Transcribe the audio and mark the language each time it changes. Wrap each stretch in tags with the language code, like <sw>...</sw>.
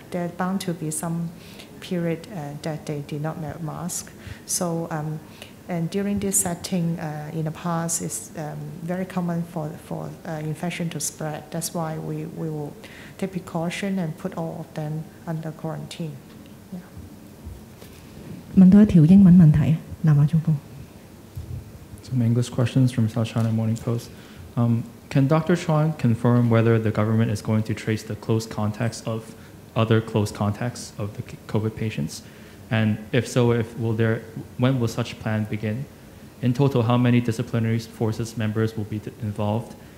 <en>There are bound to be some period that they did not wear mask. So, and during this setting in the past, it's very common for infection to spread. That's why we will take precaution and put all of them under quarantine. Yeah.</en> <yue>問到一條英文問題，南華早報。</yue> <en>Some English questions from South China Morning Post. Can Dr. Chuan confirm whether the government is going to trace the close contacts of other close contacts of the COVID patients? And if so, when will such plan begin? In total, how many disciplinary forces members will be involved?</en>